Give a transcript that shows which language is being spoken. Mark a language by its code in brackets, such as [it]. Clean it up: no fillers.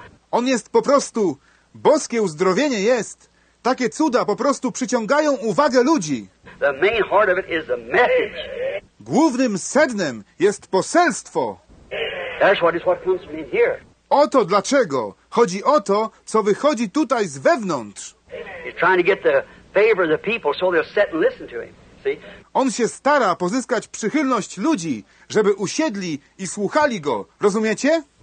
[pl] On jest po prostu... Boskie uzdrowienie jest. Takie cuda po prostu przyciągają uwagę ludzi. [en] The main heart of it is the message. [pl] Głównym sednem jest poselstwo. [en] That's what is what comes from here. [pl] Oto dlaczego. Chodzi o to, co wychodzi tutaj z wewnątrz. [en] He's trying to get the favor of the people so they'll sit and listen to him. See? [pl] On się stara pozyskać przychylność ludzi, żeby usiedli i słuchali go. Rozumiecie?